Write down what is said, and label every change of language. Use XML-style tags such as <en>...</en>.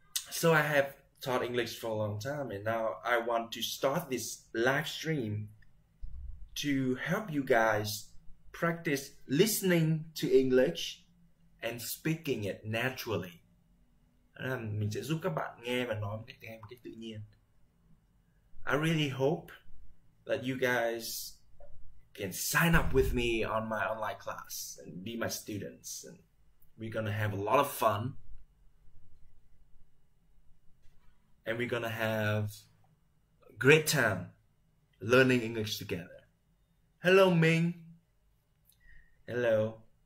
<en>So I have taught English for a long time and now I want to start this live stream to help you guys practice listening to English and speaking it naturally.</en> <vi>Mình sẽ giúp các bạn nghe và nói cái tiếng Anh một cách tự nhiên.</vi> <en>I really hope that you guys can sign up with me on my online class and be my students, and we're gonna have a lot of fun and we're gonna have a great time learning English together. Hello, Ming. Hello.</en>